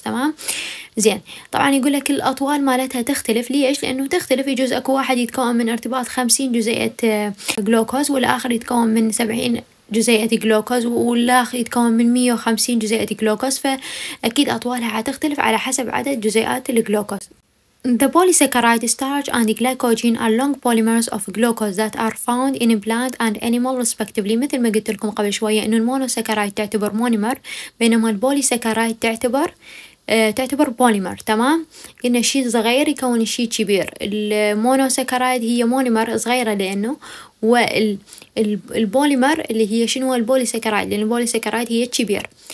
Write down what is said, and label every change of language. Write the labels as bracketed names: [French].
[Arabic] تمام، زين. طبعا يقول لك الاطوال مالتها تختلف. ليش؟ لانه تختلف. يجوز اكو واحد يتكون من ارتباط 50 جزيئه جلوكوز، والاخر يتكون من 70 جزيئة جلوكوز، والآخر يتكون من 150 جزيئة جلوكوز. فأكيد أطوالها هتختلف على حسب عدد جزيئات الجلوكوز. [English] The polysaccharide starch and the glycogen are long polymers of glucose that are found in plant and animal respectively. [Arabic] مثل ما قلت لكم قبل شوية إنه المونوساكرايد تعتبر مونيمر، بينما البوليساكرايد تعتبر بوليمر. تمام، قلنا شيء صغير يكون شيء كبير. المونوساكرايد هي مونيمر صغيرة لأنه، والبوليمر اللي هي شنو البوليسكرايد، لأن البوليسكرايد هي كبير.